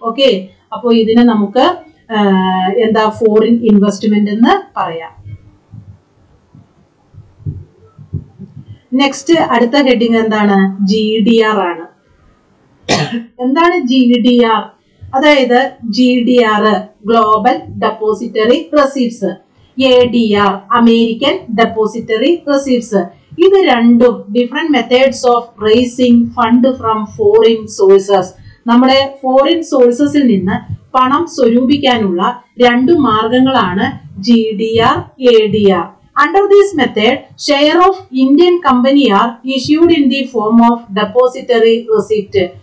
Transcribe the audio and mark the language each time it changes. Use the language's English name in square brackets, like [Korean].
[Malayalam] Okay, അപ്പോൾ ഇതിനെ നമുക്ക് എന്താ ഫോറിൻ ഇൻവെസ്റ്റ്മെന്റ് എന്ന് പറയാം. നെക്സ്റ്റ് അടുത്ത ഹെഡിങ് എന്താണ്? ജി ഡി ആർ ആണ്. എന്താണ് ജി ഡി ആർ? അതായത് G D R, global depository receipts. [English] ADR, American Depository Receipts. ഇതു രണ്ടും different methods of raising fund from foreign sources. [Malayalam] നമ്മുടെ ഫോറിൻ സോഴ്സസിൽ നിന്ന് പണം സ്വരൂപിക്കാനുള്ള രണ്ട് മാർഗങ്ങളാണ് GDR, ADR. [English] Under this method, share of Indian company are issued in the form of depository receipt.